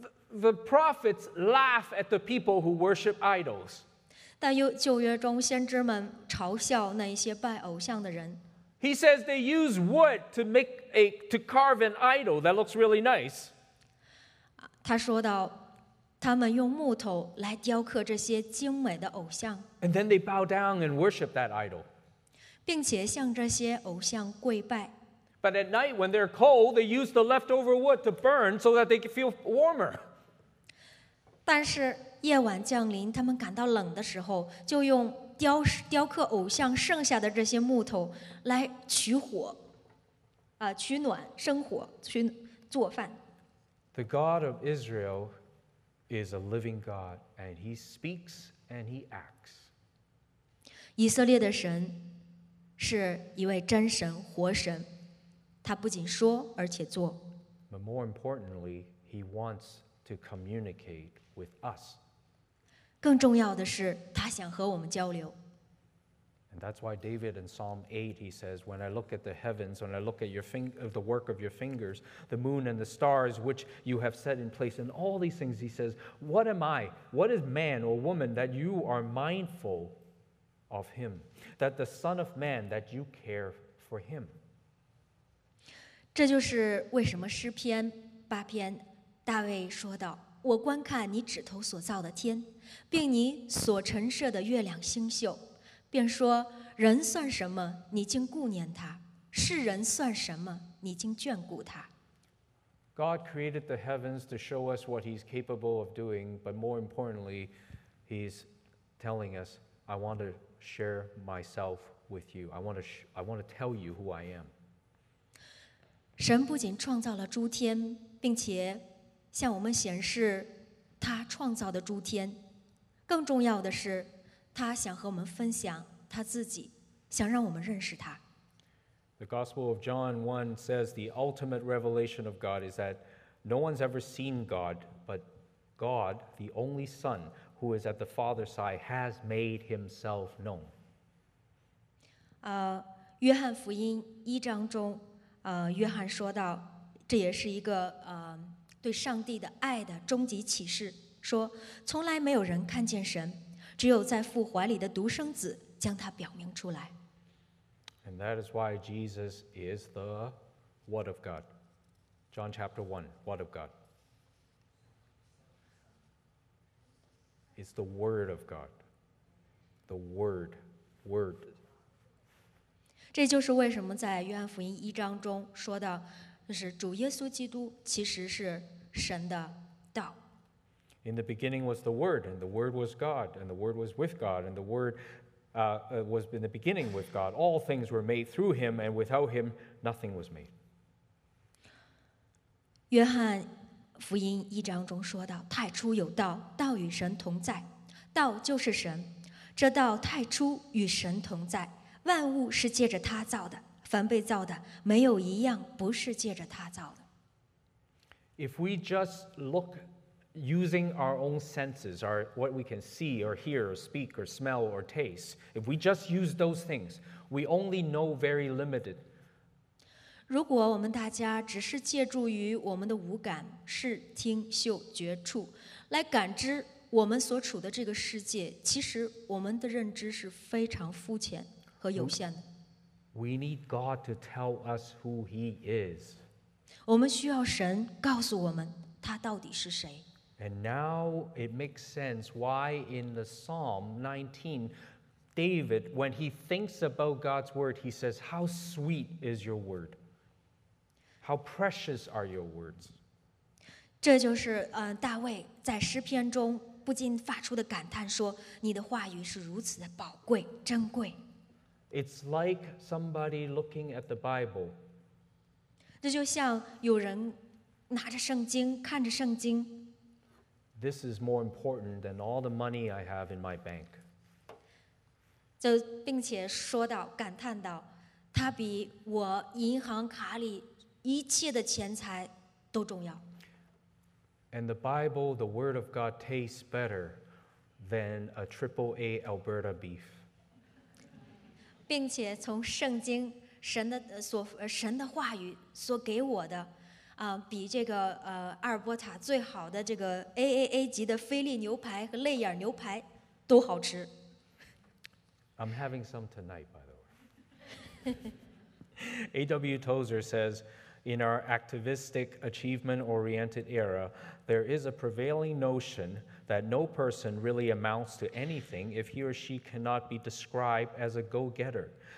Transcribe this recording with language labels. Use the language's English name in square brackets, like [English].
[English] The prophets laugh at the people who worship idols. [Chinese] 但旧约中先知们嘲笑那些拜偶像的人。 [English] He says they use wood to carve an idol that looks really nice. [Chinese] 他说到他们用木头来雕刻这些精美的偶像。 [English] And then they bow down and worship that idol. [Chinese] 并且向这些偶像跪拜。 [English] But at night, when they're cold, they use the leftover wood to burn so that they can feel warmer. [Chinese] 但是夜晚降临，他们感到冷的时候，就用雕刻偶像剩下的这些木头来取火，取暖，生火，去做饭。 [English] The God of Israel is a living God, and He speaks and He acts. [Chinese] 以色列的神是一位真神，活神。他不仅说，而且做。 [English] But more importantly, he wants to communicate with us. [Chinese] 更重要的是，他想和我们交流。 [English] And that's why David in Psalm 8, he says, "When I look at the heavens, when I look at the work of your fingers, the moon and the stars which you have set in place, and all these things," he says, "What am I? What is man or woman that you are mindful of him? That the Son of Man that you care for him?" [Chinese] 这就是为什么诗篇八篇大卫说道，我观看你指头所造的天，并你所陈设的月亮星宿，便说人算什么你竟顾念他，世人算什么你竟眷顾他。 [English] God created the heavens to show us what he's capable of doing, but more importantly, he's telling us, I want to share myself with you. I want to tell you who I am. [Chinese] 神不仅创造了诸天，并且向我们显示他创造的诸天，更重要的是他想和我们分享他自己，想让我们认识他。 [English] The Gospel of John 1 says the ultimate revelation of God is that no one's ever seen God, but God, the only Son, who is at the Father's side, has made himself known. [Chinese] 约翰福音一章中，约翰说到，这也是一个对上帝的爱的终极启示，说从来没有人看见神，只有在父怀里的独生子将他表明出来。 [English] And that is why Jesus is the Word of God. John chapter 1, Word of God. It's the Word of God. The Word, Word. [Chinese] 这就是为什么在约翰福音一章中说到，就是主耶稣基督其实是神的道。 [English] In the beginning was the Word, and the Word was God, and the Word was with God, and the Word was in the beginning with God. All things were made through him, and without him nothing was made. [Chinese] 约翰福音一章中说到，太初有道，道与神同在，道就是神。这道太初与神同在，万物是借着他造的，凡被造的没有一样不是借着他造的。 [English] If we just look using our own senses, our what we can see or hear or speak or smell or taste, if we just use those things, we only know very limited. [Chinese] 如果我们大家只是借助于我们的五感，视、听、嗅、觉、触，来感知我们所处的这个世界，其实我们的认知是非常肤浅和有限的。 [English] We need God to tell us who He is. [Chinese] 我们需要神告诉我们他到底是谁。 [English] And now it makes sense why in the Psalm 19, David, when he thinks about God's word, he says, how sweet is your word? How precious are your words? [Chinese] 这就是大卫在诗篇中不禁发出的感叹说，你的话语是如此的宝贵，珍贵。 [English] It's like somebody looking at the Bible. [Chinese] 这就像有人拿着圣经，看着圣经。 [English] This is more important than all the money I have in my bank. [Chinese] 就并且说到，感叹到，它比我银行卡里一切的钱财都重要。 [English] And the Bible, the Word of God, tastes better than a AAA Alberta beef. [Chinese] 并且从圣经，神的所，神的话语所给我的比这个阿尔伯塔最好的这个 AAA 级的菲力牛排和泪眼牛排都好吃。 [English] I'm having some tonight, by the way. A.W. Tozer says, in our activistic, achievement-oriented era, there is a prevailing notion that no person really amounts to anything if he or she cannot be described as a go-getter.